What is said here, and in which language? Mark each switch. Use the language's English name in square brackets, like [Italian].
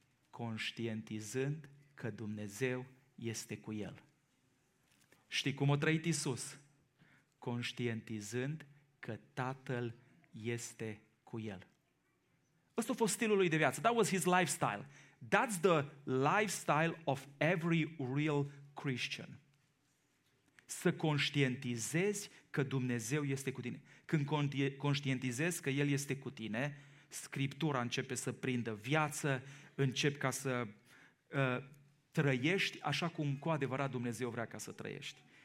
[Romanian] Conștientizând că Dumnezeu este cu el. Știi cum a trăit Iisus? Conștientizând că Tatăl este cu el. Ăsta a fost stilul lui de viață. [English] That was his lifestyle. That's the lifestyle of every real Christian. [Romanian] Să conștientizezi că Dumnezeu este cu tine. Când conștientizezi că El este cu tine, Scriptura începe să prindă viață, începi ca să trăiești așa cum cu adevărat Dumnezeu vrea ca să trăiești.